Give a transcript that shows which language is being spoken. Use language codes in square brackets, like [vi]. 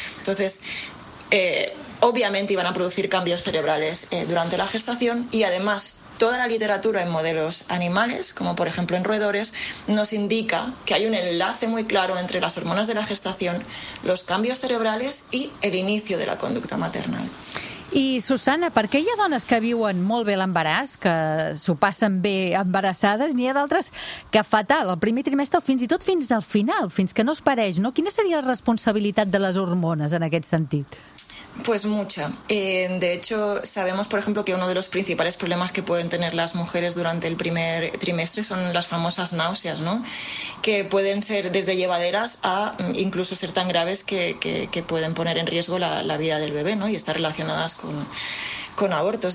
[es] Entonces, obviamente iban a producir cambios cerebrales durante la gestación y además toda la literatura en modelos animales, como por ejemplo en roedores, nos indica que hay un enlace muy claro entre las hormonas de la gestación, los cambios cerebrales y el inicio de la conducta maternal. [ca] I, Susana, per què hi ha dones que viuen molt bé l'embaràs, que s'ho passen bé embarassades, n'hi ha d'altres que fatal, el primer trimestre, fins i tot fins al final, fins que no es pareix, no? Quina seria la responsabilitat de les hormones en aquest sentit? [es] Pues mucha. De hecho, sabemos, por ejemplo, que uno de los principales problemas que pueden tener las mujeres durante el primer trimestre son las famosas náuseas, ¿no? Que pueden ser desde llevaderas a incluso ser tan graves que pueden poner en riesgo la vida del bebé, ¿no? Y estar relacionadas con abortos.